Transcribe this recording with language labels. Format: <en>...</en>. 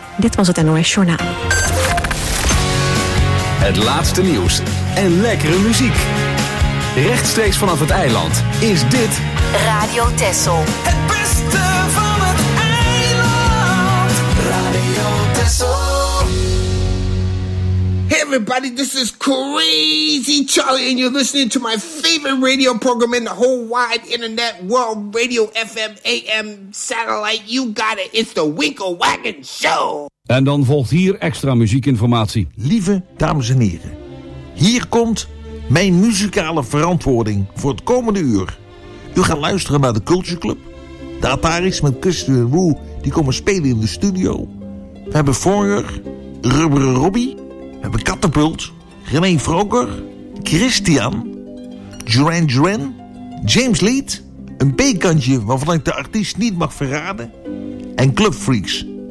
<nl>Dit was het NOS Journaal. Het laatste nieuws en lekkere muziek. Rechtstreeks vanaf het eiland is dit Radio Tessel. Het beste van het eiland. Radio Tessel.</nl> <en>Hey everybody, this is Crazy Charlie and you're listening to my favorite radio program in the whole wide internet world, Radio FM, AM, satellite, you got it, it's the Winkle Wagon Show.</en> <nl>En dan volgt hier extra muziekinformatie. Lieve dames en heren, hier komt mijn muzikale verantwoording voor het komende uur. U gaat luisteren naar de Culture Club, de Ataris met Christian en Woe, die komen spelen in de studio. We hebben Foyer, Rubberen Robbie. We hebben Katapult, René Vroker, Christian, Duran Duran, James Leed, een B-kantje waarvan ik de artiest niet mag verraden, en Club Freaks.</nl>